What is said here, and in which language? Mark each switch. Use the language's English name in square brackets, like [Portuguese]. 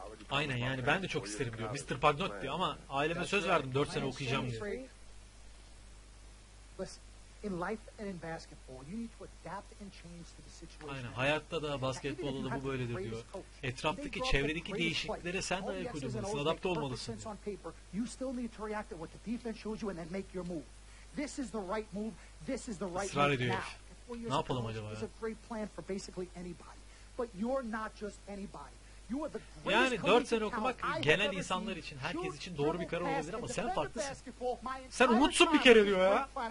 [Turkish] Aynen yani ben de çok isterim diyor. Mr. Pagnotti diyor ama aileme söz verdim 4 sene okuyacağım diyor. [English] In life and in basketball, you need to adapt and change to the situation. [Turkish] Aynen, hayatta da basketbolda da bu böyledir diyor. Etraftaki, çevredeki değişikliklere sen de ayak uydurmalısın, adapte olmalısın. [English] You still need to react to what the defense shows you and then make your move. This is the right move. This is the right move. [Turkish] Israr ediyor. Ne yapalım acaba? [English] It's a great plan for basically anybody, but you're not just anybody. [Turkish] Yani 4 sene okumak genel insanlar için, herkes için doğru bir karar olabilir ama sen farklısın. Sen umutsun bir kere diyor ya.